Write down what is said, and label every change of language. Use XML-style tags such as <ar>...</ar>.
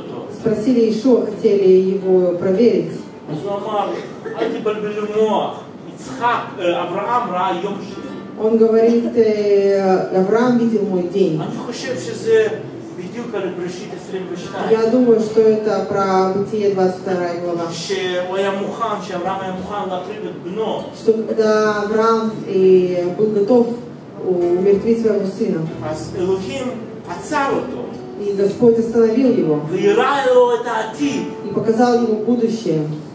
<ru>Спросили Иешуа, хотели его проверить.</ru> <he>אז הוא אמר, אל תבלבלו מוח, יצחק, אברהם ראה יום שלי.</he> <ru>Он говорит, אברהם видел мой день.</ru> <he>אני חושב שזה בדיוק על בראשית 22.</he> <ru>Я думаю, что это про Бытие 22 глава.</ru> <he>שאברהם היה מוכן להקריב את בנו.</he> <ru>Что когда Авраам был готов умертвить своего сына.</ru> <he>אז Элохим עצר אותו.</he> <ru>И Господь остановил его. И показал ему будущее.</ru>